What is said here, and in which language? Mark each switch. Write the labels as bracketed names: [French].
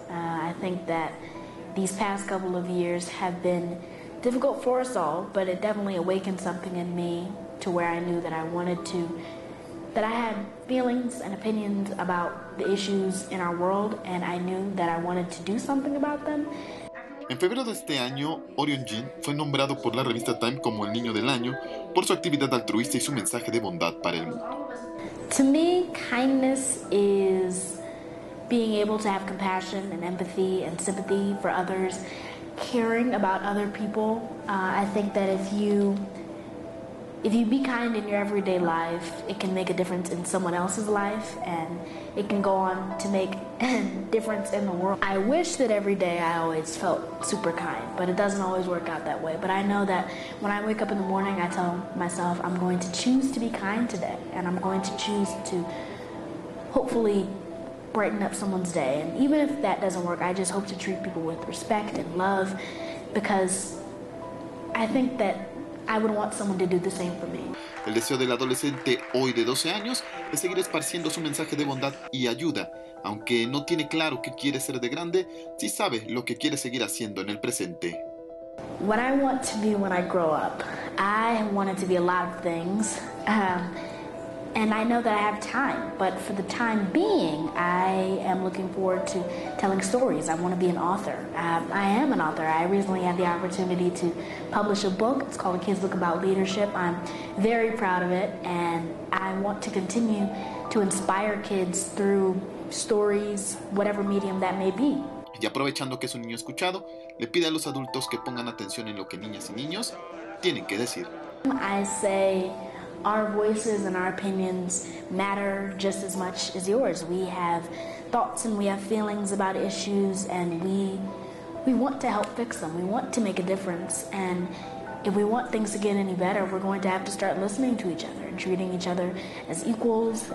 [English] I think that these past couple of years have been difficult for us all, but it definitely awakened something in me to where I knew that I wanted to, that I had feelings and opinions about the issues in our world, and I knew that I wanted to do something about them. [Spanish] En febrero de este año, Orion Jean fue nombrado por la revista Time como el niño del año por su actividad altruista y su mensaje de bondad para el mundo. [English] To me, kindness is being able to have compassion and empathy and sympathy for others, caring about other people. I think that if you be kind in your everyday life, it can make a difference in someone else's life and it can go on to make a difference in the world. I wish that every day I always felt super kind, but it doesn't always work out that way. But I know that when I wake up in the morning, I tell myself I'm going to choose to be kind today and I'm going to choose to hopefully brighten up someone's day. And even if that doesn't work, I just hope to treat people with respect and love because I think that I would want someone to do the same for me. [Spanish] El deseo del adolescente hoy de 12 años es seguir esparciendo su mensaje de bondad y ayuda. Aunque no tiene claro qué quiere ser de grande, sí sabe lo que quiere seguir haciendo en el presente. [English] What I want to be when I grow up. I wanted to be a lot of things. And I know that I have time, but for the time being, I am looking forward to telling stories. I want to be an author. I am an author. I recently had the opportunity to publish a book. It's called A Kid's Book About Leadership. I'm very proud of it, and I want to continue to inspire kids through stories, whatever medium that may be. [Spanish] Y aprovechando que es un niño escuchado, le pide a los adultos que pongan atención en lo que niñas y niños tienen que decir. [English] I say, our voices and our opinions matter just as much as yours. We have thoughts and we have feelings about issues and we want to help fix them. We want to make a difference. And if we want things to get any better, we're going to have to start listening to each other and treating each other as equals.